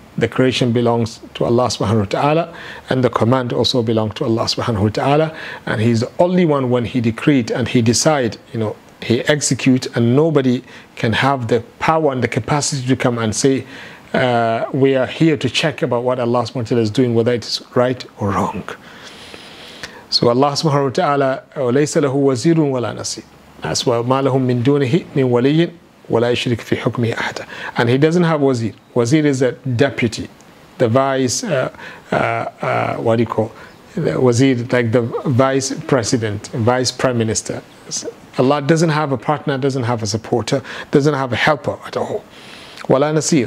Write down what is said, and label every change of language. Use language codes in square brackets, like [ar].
[en] The creation belongs to Allah subhanahu wa ta'ala, and the command also belongs to Allah subhanahu wa ta'ala, and he's the only one when he decreed and he decide, you know, he execute, and nobody can have the power and the capacity to come and say, we are here to check about what Allah subhanahu wa ta'ala is doing, whether it is right or wrong. So Allah subhanahu wa ta'ala, [ar] وَلَيْسَ لَهُ وَزِيرٌ وَلَا نَسِيرٌ [en] as well, [ar] مَا لَهُمْ مِنْ دُونِهِ مِنْ وَلِيٍّ وَلَا يَشْرِكْ فِي حُكْمِهِ أَحْدًا. [en] And he doesn't have wazir. Wazir is a deputy, the vice, what do you call, the wazir, like the vice president, vice prime minister. Allah doesn't have a partner, doesn't have a supporter, doesn't have a helper at all. [ar] وَلَا نَسِيرٌ.